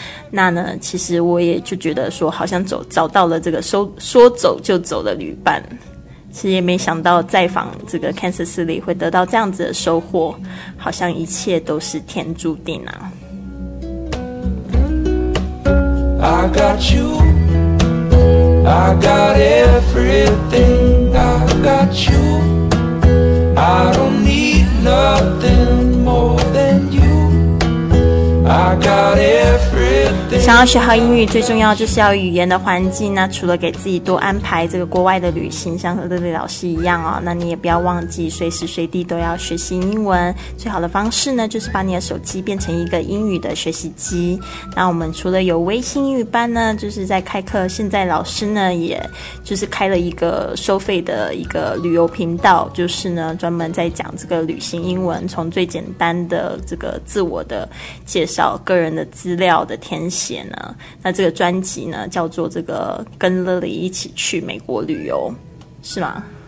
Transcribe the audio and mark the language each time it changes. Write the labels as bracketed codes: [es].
[zh] 那呢，其实我也就觉得说，好像找到了这个说走就走的旅伴。其实也没想到再访这个 Kansas City 会得到这样子的收获，好像一切都是天注定啊。 [en] I got you, I got everything, I got you, I don't need nothing more than you, I got everything. [zh] 想要学好英语最重要就是要语言的环境，那除了给自己多安排这个国外的旅行，像和乐乐老师一样哦，那你也不要忘记随时随地都要学习英文。最好的方式呢，就是把你的手机变成一个英语的学习机。那我们除了有微信英语班呢，就是在开课，现在老师呢也就是开了一个收费的一个旅游频道，就是呢专门在讲这个旅行英文，从最简单的这个自我的介绍，个人的资料的填写呢，那这个专辑呢叫做这个跟乐乐一起去美国旅游，是吗？